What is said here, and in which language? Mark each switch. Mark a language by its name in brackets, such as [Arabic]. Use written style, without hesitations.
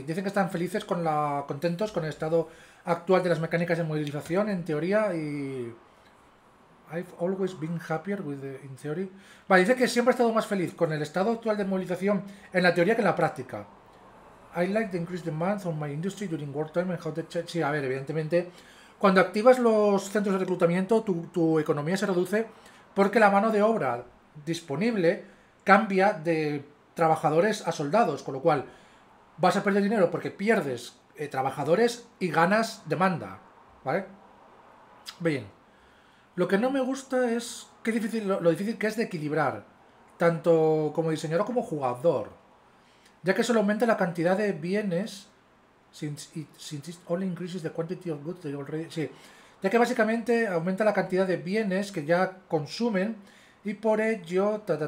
[Spanish] Dicen que están felices con la... contentos con el estado actual de las mecánicas de movilización, en teoría, y... [English] I've always been happier with the... in theory. [Spanish] Vale, dice que siempre ha estado más feliz con el estado actual de movilización en la teoría que en la práctica. [English] I like the increased demand on my industry during wartime and how the... [Spanish] Sí, a ver, evidentemente... Cuando activas los centros de reclutamiento, tu economía se reduce porque la mano de obra disponible cambia de trabajadores a soldados, con lo cual vas a perder dinero porque pierdes trabajadores y ganas demanda, ¿vale? Bien. Lo que no me gusta es lo difícil que es de equilibrar, tanto como diseñador como jugador, ya que solo aumenta la cantidad de bienes... [English] Since it only increases the quantity of goods they already... [Spanish] Sí, ya que básicamente aumenta la cantidad de bienes que ya consumen y por ello...